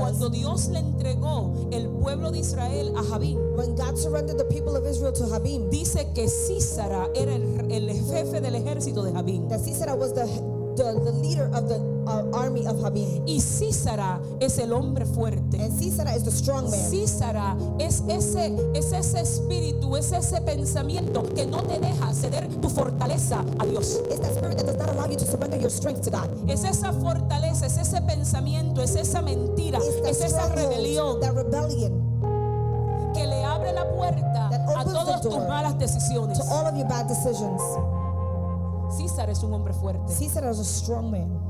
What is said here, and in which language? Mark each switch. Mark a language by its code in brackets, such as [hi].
[es] cuando Dios le entregó el pueblo de Israel a Jabín, [en] when God surrendered the people of Israel to Jabín, [es] dice que Sísara era el jefe del ejército de Jabín. [en] That Sísara was the leader of the army of Jabin. [es] Y Sísara es el hombre fuerte. [en] And Sísara is the strong man. [es] Sísara es ese espíritu, es ese pensamiento que no te deja ceder tu fortaleza a Dios. [en] It's that spirit that does not allow you to surrender your strength to God. [es] Es esa fortaleza, es ese pensamiento, es esa mentira, es esa rebelión. [en] That rebellion. [es] Que le abre la puerta a todas tus malas decisiones. [en] To all of your bad decisions. [es] César es un hombre fuerte. [en] César is a strong man.